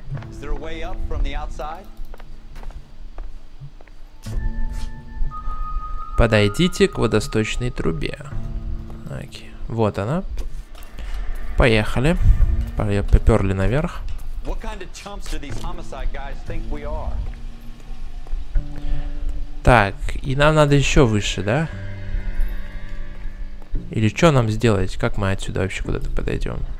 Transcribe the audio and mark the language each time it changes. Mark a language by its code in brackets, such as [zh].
[en] Is there a way up from the outside? [ru] Подойдите к водосточной трубе. Окей. Вот она. Поехали. Поперли наверх. [en] What kind of chumps do these homicide guys think we are? [ru] Так, и нам надо еще выше, да? Или что нам сделать? Как мы отсюда вообще куда-то подойдем?